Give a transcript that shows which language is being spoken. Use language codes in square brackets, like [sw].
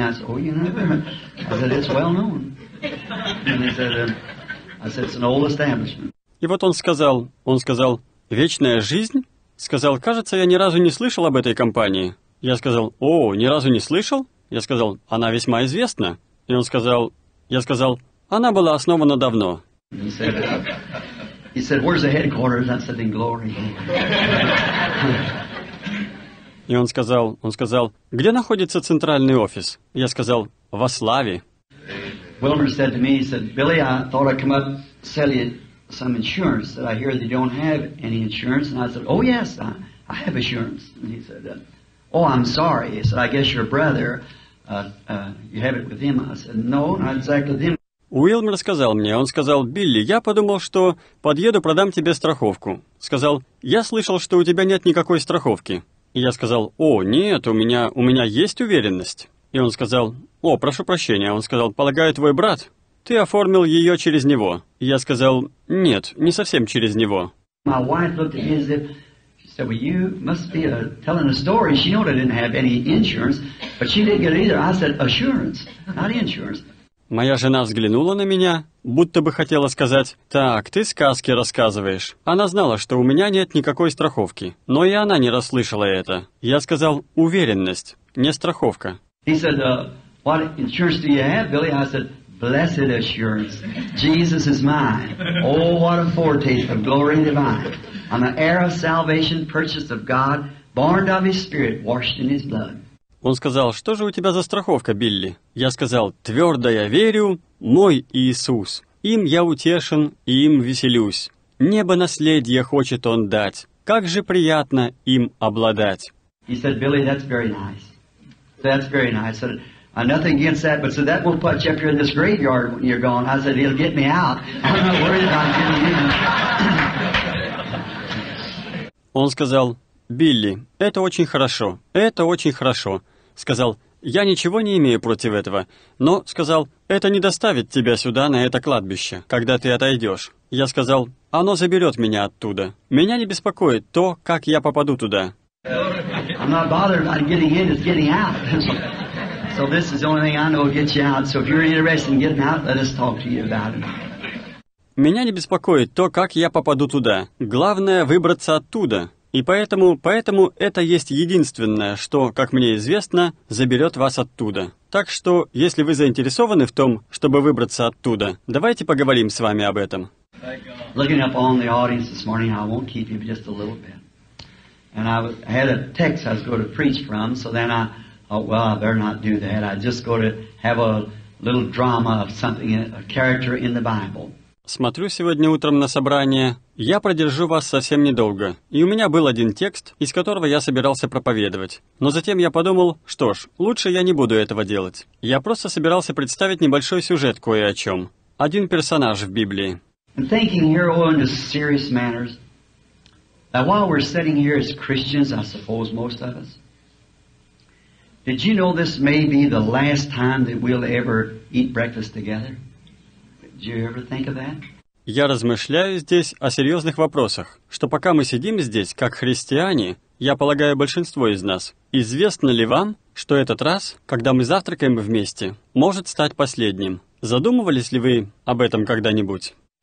[en] I said, oh, you know, I said, it's well known. And he said, it's an old establishment. [ru] И вот он сказал, вечная жизнь? Сказал, кажется, я ни разу не слышал об этой компании. Я сказал, о, ни разу не слышал? Я сказал, она весьма известна. И он сказал... Я сказал, она была основана давно. [en] He said, where's the headquarters? I said, in glory. [ru] И он сказал, где находится центральный офис? Я сказал, во славе. [en] Wilmer said to me, he said, Billy, I thought I'd come up and sell you some insurance that I hear that you don't have any insurance. And I said, oh, yes, I have insurance. And he said, oh, I'm sorry. He said, I guess your brother... you have it with him. I said, no, not exactly with him. [ru] Уилмер сказал мне, он сказал, Билли, я подумал, что подъеду, продам тебе страховку. Сказал, я слышал, что у тебя нет никакой страховки. И я сказал, о, нет, у меня есть уверенность. И он сказал, о, прошу прощения. Он сказал, полагаю, твой брат, ты оформил ее через него. И я сказал, нет, не совсем через него. [en] My wife looked at me as if... So well, you must be telling a story. She knew I didn't have any insurance, but she didn't get it either. I said assurance, not insurance. [ru] Моя жена взглянула на меня, будто бы хотела сказать: "Так, ты сказки рассказываешь". Она знала, что у меня нет никакой страховки, но и она не расслышала это. Я сказал: "Уверенность, не страховка". [en] He said, "What insurance do you have, Billy?" I said, "Blessed assurance. Jesus is mine. Oh, what a foretaste of glory divine." I'm an heir of salvation, purchased of God, born of His Spirit, washed in His blood. [ru] Он сказал, что же у тебя за страховка, Билли? Я сказал, твердо я верю, мой Иисус. Им я утешен, и им веселюсь. Небо наследие хочет он дать. Как же приятно им обладать. [en] He said, Billy, that's very nice. That's very nice. I said, nothing against that, but so that will put you up here in this graveyard when you're gone. I said, he'll get me out. I'm not worried about getting in. [ru] Он сказал, Билли, это очень хорошо, это очень хорошо. Сказал, я ничего не имею против этого, но, сказал, это не доставит тебя сюда, на это кладбище, когда ты отойдешь. Я сказал, оно заберет меня оттуда. Меня не беспокоит то, как я попаду туда. [en] I'm not bothered about getting in, it's getting out. So this is the only thing I know will get you out. So if you're interested in getting out, let us talk to you about it. [ru] Меня не беспокоит то, как я попаду туда. Главное выбраться оттуда. И поэтому это есть единственное, что, как мне известно, заберет вас оттуда. Так что, если вы заинтересованы в том, чтобы выбраться оттуда, давайте поговорим с вами об этом. [en] Looking up on the audience this morning, I won't keep you just a little bit. And I had a text I was going to preach from, so then I thought, well, I better not do that. I just go to have a little drama of something, a character in the Bible. [ru] Смотрю сегодня утром на собрание. Я продержу вас совсем недолго. И у меня был один текст, из которого я собирался проповедовать. Но затем я подумал, что ж, лучше я не буду этого делать. Я просто собирался представить небольшой сюжет кое о чем. Один персонаж в Библии. [en] And thinking here on the serious matters, that while we're sitting here as Christians, I suppose most of us, did you know this may be the last time that we'll ever eat breakfast together? Did you ever think of that? [ru] Я размышляю здесь о серьезных вопросах, что пока мы сидим здесь, как христиане, я полагаю, большинство из нас, известно ли вам, что этот раз, когда мы завтракаем вместе, может стать последним? Задумывались ли вы об этом когда-нибудь?